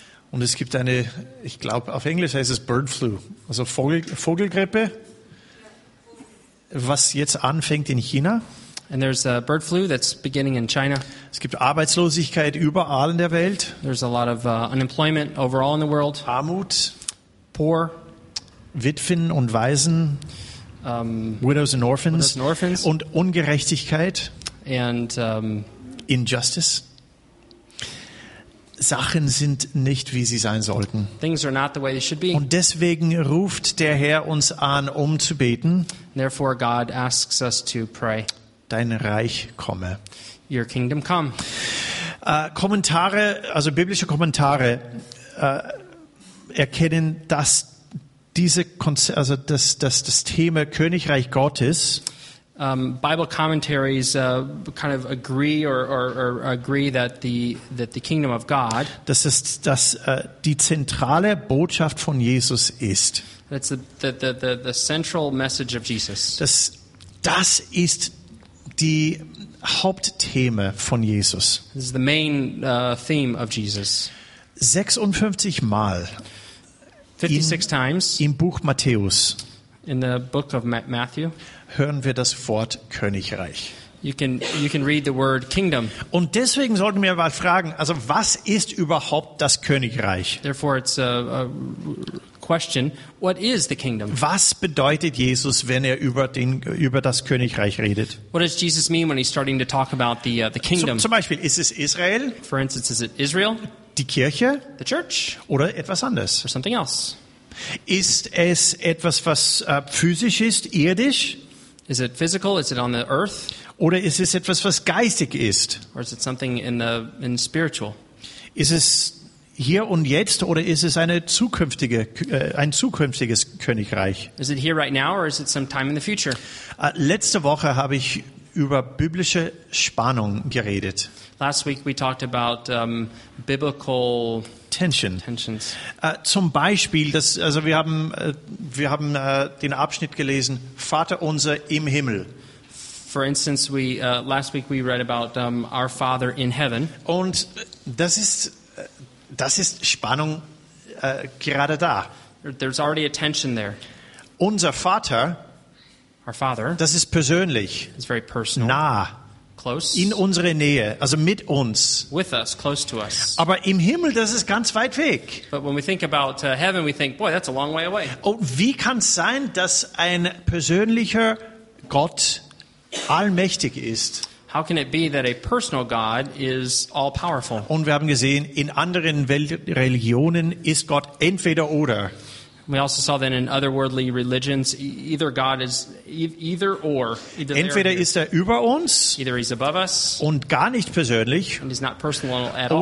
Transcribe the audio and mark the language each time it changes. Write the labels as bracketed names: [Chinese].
[German] Und es gibt eine, ich glaube, auf Englisch heißt es Bird Flu, also Vogelgrippe, was jetzt anfängt in China. [English] And there's a bird flu that's beginning in China. [German] Es gibt Arbeitslosigkeit überall in der Welt. [English] There's a lot of unemployment overall in the world. [German] Armut, [English] poor, [German] Witwen und Waisen, [English] widows and orphans, widows and orphans. [German] Und Ungerechtigkeit, [English] and [German] injustice. Sachen sind nicht, wie sie sein sollten. [English] Things are not the way they should be. [German] Und deswegen ruft der Herr uns an, um zu beten. [English] Therefore God asks us to pray. [German] Dein Reich komme. [English] Your kingdom come. [German] Kommentare, also biblische Kommentare, erkennen, dass diese also das Thema Königreich Gottes. [English] Bible commentaries kind of agree or agree that the kingdom of God. [German] Dass die zentrale Botschaft von Jesus ist. [English] That's the central message of Jesus. [German] Das ist die Hauptthema von Jesus. [English] This is the main theme of Jesus. [German] 56 Mal. [English] 56 times. [German] Im Buch Matthäus. [English] In the book of Matthew. [German] Hören wir das Wort Königreich. [English] You can read the word kingdom. [German] Und deswegen sollten wir mal fragen, also was ist überhaupt das Königreich? [English] Therefore it's a question, what is the kingdom? [German] Was bedeutet Jesus, wenn er über das Königreich redet? [English] What does Jesus mean when he's starting to talk about the kingdom? [German] Zum Beispiel, ist es Israel? [English] For instance, is it Israel? [German] Die Kirche? [English] The church? [German] Oder etwas anderes? [English] Or something else? [German] Ist es etwas, was physisch ist, irdisch? [English] Is it physical? Is it on the earth? [German] Oder ist es etwas, was geistig ist? [English] Or is it something in spiritual? [German] Ist es hier und jetzt oder ist es ein zukünftiges Königreich? [English] Is it here right now or is it some time in the future? [German] Letzte Woche habe ich über biblische Spannung geredet. [English] Last week we talked about biblical tensions. [German] Zum Beispiel, wir haben den Abschnitt gelesen, Vater unser im Himmel. [English] For instance, last week we read about our Father in heaven. [German] Und das ist Spannung gerade da. [English] There's already a tension there. [German] Unser Vater, [English] our Father, [German] das ist persönlich. [English] It's very personal. [German] Nah. [English] Close. [German] In unsere Nähe, also mit uns. [English] With us, close to us. [German] Aber im Himmel, das ist ganz weit weg. [English] But when we think about heaven, we think, boy, that's a long way away. [German] Und wie kann es sein, dass ein persönlicher Gott allmächtig ist? [English] How can it be that a personal God is all powerful? [German] Und wir haben gesehen, in anderen Religionen ist Gott entweder oder. [English] We also saw that in other worldly religions, either God is either or. Either [German] entweder ist er über uns, [English] either he's above us, [German] und gar nicht persönlich, [English] and he's not personal at all.